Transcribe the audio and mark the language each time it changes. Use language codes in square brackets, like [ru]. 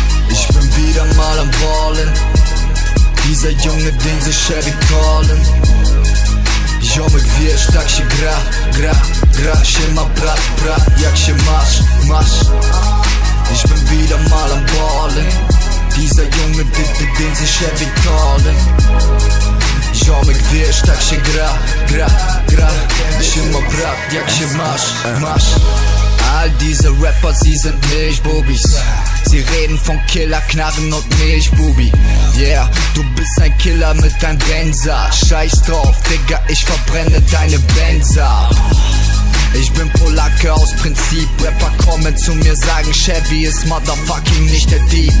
[de] Ich bin wieder mal am Ballen. Dieser Junge, den sie Chevy callen. [pl] Ziomek, wiesz, tak się gra, gra, gra się ma, brat, brat, jak się masz, masz. [de] Ich bin wieder mal am Ballen. Dieser Junge, den sie Chevy callen. [pl] Ziomek, wiesz, tak się gra, gra, gra się ma, brat, jak się masz. [de] All diese Rapper, sie sind Milchbubis. Sie reden von Killer, Knarren und Milchbubi. Yeah, du bist ein Killer mit deinem Benzer. Scheiß drauf, Digga, ich verbrenne deine Benzer. Ich bin Polacke aus Prinzip. Rapper kommen zu mir, sagen Chevy ist motherfucking nicht der Dieb.